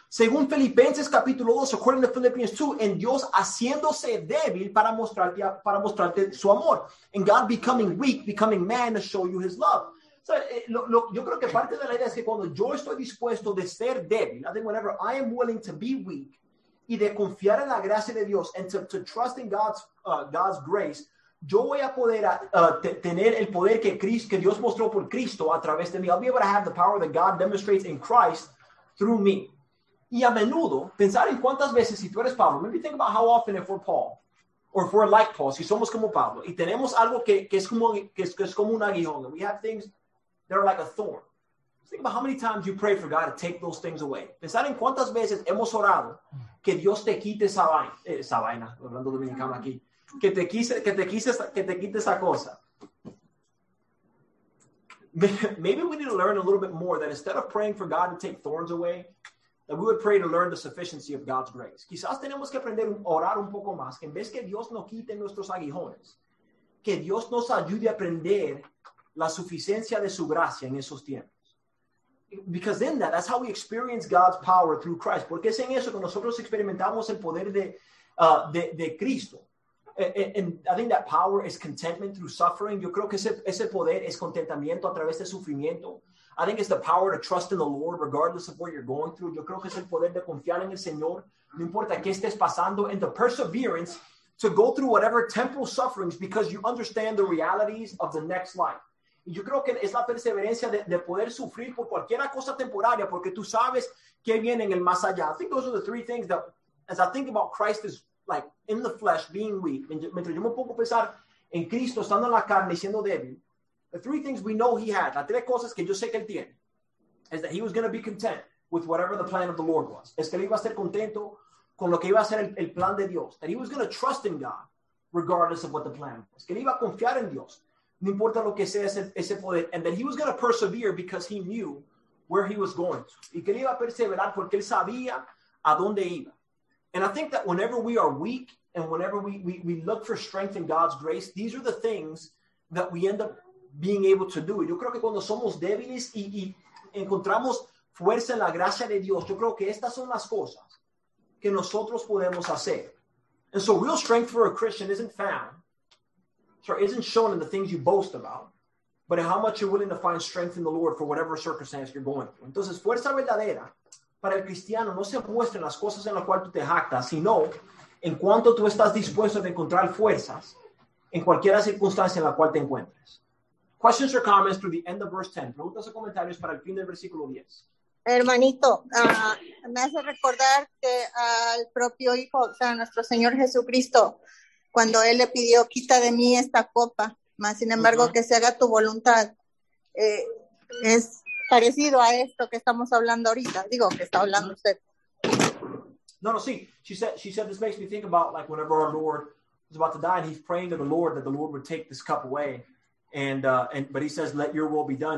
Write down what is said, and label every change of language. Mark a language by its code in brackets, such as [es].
[es] Según Filipenses capítulo 2, [en] according to Philippians 2, [es] en Dios haciéndose débil para mostrarte su amor. [en] And God becoming weak, becoming man to show you his love. [es] So, yo creo que parte de la idea es que cuando yo estoy dispuesto de ser débil, [en] I think whenever I am willing to be weak, [es] y de confiar en la gracia de Dios, [en] and to trust in God's grace, [es] yo voy a poder tener el poder que Dios mostró por Cristo a través de mí. [en] I'll be able to have the power that God demonstrates in Christ through me. [es] Y a menudo, pensar en cuántas veces, si tú eres Pablo, [en] maybe think about how often if we're Paul, or if we're like Paul, [es] si somos como Pablo, y tenemos algo que es como un aguijón, [en] and we have things that are like a thorn. Think about how many times you pray for God to take those things away. [es] Pensar en cuántas veces hemos orado que Dios te quite esa vaina, hablando dominicano aquí. Que te quise esa cosa. [en] Maybe we need to learn a little bit more that instead of praying for God to take thorns away, that we would pray to learn the sufficiency of God's grace. [es] Quizás tenemos que aprender a orar un poco más, que en vez que Dios nos quite nuestros aguijones, que Dios nos ayude a aprender la suficiencia de su gracia en esos tiempos. [en] Because in that, that's how we experience God's power through Christ. [es] Porque es en eso que nosotros experimentamos el poder de Cristo. [en] And I think that power is contentment through suffering. [es] Yo creo que ese poder es contentamiento a través de sufrimiento. [en] I think it's the power to trust in the Lord regardless of what you're going through. [es] Yo creo que es el poder de confiar en el Señor, no importa qué estés pasando, [en] and the perseverance to go through whatever temporal sufferings because you understand the realities of the next life. [es] Y yo creo que es la perseverancia de poder sufrir por cualquier cosa temporaria porque tú sabes qué viene en el más allá. [en] I think those are the three things that, as I think about Christ is like in the flesh being weak, [es] mientras yo me pongo a pensar en Cristo estando en la carne siendo débil, [en] the three things we know he had, [es] las tres cosas que yo sé que él tiene, [en] is that he was going to be content with whatever the plan of the Lord was. [es] Es que él iba a ser contento con lo que iba a ser el plan de Dios. [en] That he was going to trust in God, regardless of what the plan was. [es] Que él iba a confiar en Dios, no importa lo que sea ese poder. [en] And that he was going to persevere because he knew where he was going to. [es] Y que él iba a perseverar porque él sabía a dónde iba. [en] And I think that whenever we are weak, and whenever we look for strength in God's grace, these are the things that we end up being able to do. [es] Yo creo que cuando somos débiles y encontramos fuerza en la gracia de Dios, yo creo que estas son las cosas que nosotros podemos hacer. [en] And so real strength for a Christian isn't shown in the things you boast about, but in how much you're willing to find strength in the Lord for whatever circumstance you're going through. [es] Entonces, fuerza verdadera para el cristiano no se muestra en las cosas en las cuales tú te jactas, sino en cuanto tú estás dispuesto a encontrar fuerzas en cualquier circunstancia en la cual te encuentres. [en] Questions or comments through the end of verse 10. [es] Preguntas o comentarios para el fin del versículo 10. Hermanito, me hace recordar que al propio Hijo, o sea, nuestro Señor Jesucristo, cuando Él le pidió, quita de mí esta copa, más sin embargo, uh-huh, que se haga tu voluntad, es parecido a esto que estamos hablando ahorita. Digo, que está hablando usted. No, sí. [en] She said, this makes me think about like whenever our Lord is about to die and he's praying to the Lord that the Lord would take this cup away. But he says, let your will be done.